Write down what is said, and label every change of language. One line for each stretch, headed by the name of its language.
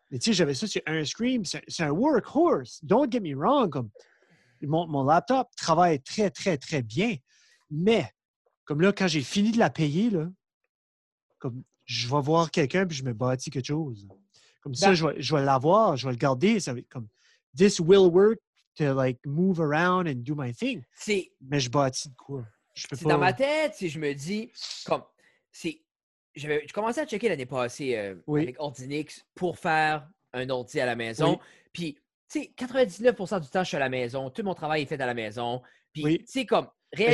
French: Mais tu sais, j'avais ça sur un screen. C'est un workhorse.
English: Don't get me wrong.
French: Comme, mon laptop travaille très, très, très bien. Mais, comme là, quand j'ai fini de la payer, là, comme je vais voir quelqu'un, puis je me bâtis quelque chose. Comme ça, je vais l'avoir, je vais le garder. Ça, comme,
English: this will work to like move around and do my thing.
French: Mais je bâtis de quoi? Dans ma tête, si je me dis, comme, j'avais commencé à checker l'année passée avec Ordinix pour faire un ordi à la maison. Puis, tu sais, 99% du temps, je suis à la maison. Tout mon travail est fait à la maison. Puis, tu sais, comme, réellement.